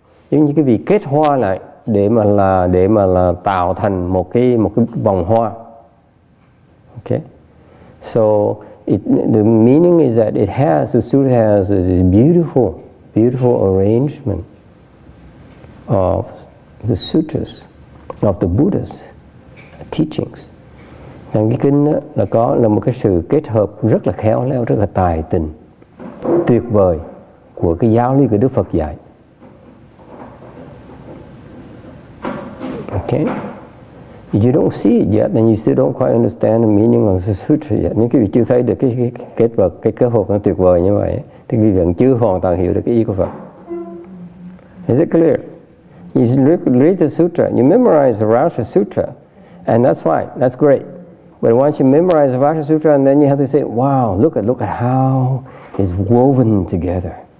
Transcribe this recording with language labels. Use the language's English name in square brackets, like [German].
[Vietnamese] Giống như cái việc kết hoa lại để mà là tạo thành một cái vòng hoa. [English] Okay, so the meaning is that the sutra has this beautiful arrangement of the sutras of the Buddha's teachings, [Vietnamese] Trong cái kinh đó, là có là một cái sự kết hợp rất là khéo léo, rất là tài tình, tuyệt vời của cái giáo lý của Đức Phật dạy. [English] Okay. You don't see it yet, and you still don't quite understand the meaning of the sutra yet. [Vietnamese] Nếu quý vị chưa thấy được cái kết vật, cái kết hợp nó tuyệt vời như vậy, thì quý vị vẫn chưa hoàn toàn hiểu được cái ý của Phật. [English] Is it clear? You read the sutra, you memorize the Rasa Sutra, and that's fine, that's great. But once you memorize the Rasa Sutra, and then you have to say, wow, look at how it's woven together.